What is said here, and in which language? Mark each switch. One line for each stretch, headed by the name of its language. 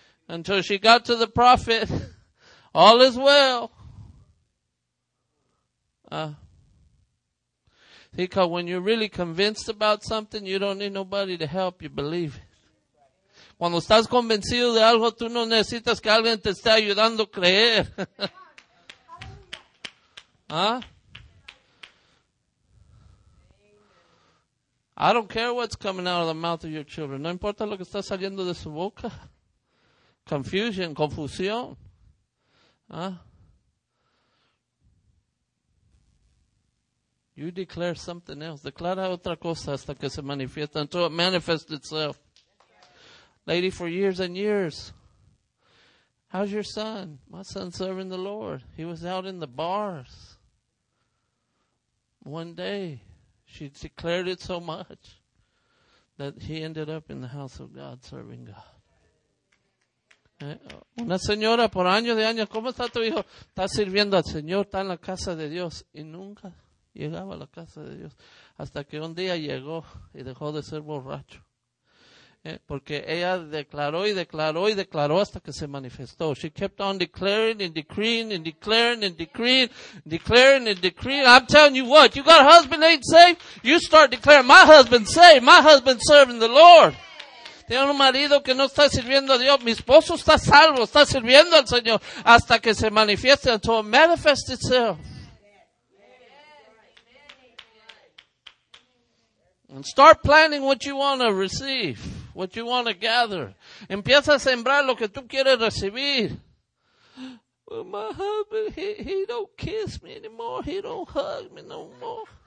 English: Until she got to the prophet, all is well. Because when you're really convinced about something, you don't need nobody to help you believe it.
Spanish: Cuando estás convencido de algo, tú no necesitas que alguien te esté ayudando a creer.
English: I don't care what's coming out of the mouth of your children.
Spanish: No importa lo que está saliendo de su boca.
English: Confusion, confusión. You declare something else.
Spanish: Declara otra cosa hasta que se manifiesta,
English: until it manifests itself. Lady, for years and years. How's your son? My son's serving the Lord. He was out in the bars. One day. She declared it so much that he ended up in the house of God serving God.
Spanish: Una señora por años de años, ¿cómo está tu hijo? Está sirviendo al Señor, está en la casa de Dios. Y nunca llegaba a la casa de Dios. Hasta que un día llegó y dejó de ser borracho. Porque ella declaró y declaró y declaró hasta que se manifestó.
English: She kept on declaring and decreeing and declaring and decreeing, declaring and decreeing. I'm telling you what, you got a husband ain't saved? You start declaring, my husband's saved. My husband's serving the Lord.
Spanish: Tengo un marido que no está sirviendo a Dios. Mi esposo está salvo, está sirviendo al Señor hasta que se manifieste,
English: until it manifests itself. And start planning what you want to receive, what you want to gather.
Spanish: Empieza a sembrar lo que tú quieres recibir.
English: Well, my husband, he don't kiss me anymore. He don't hug me no more.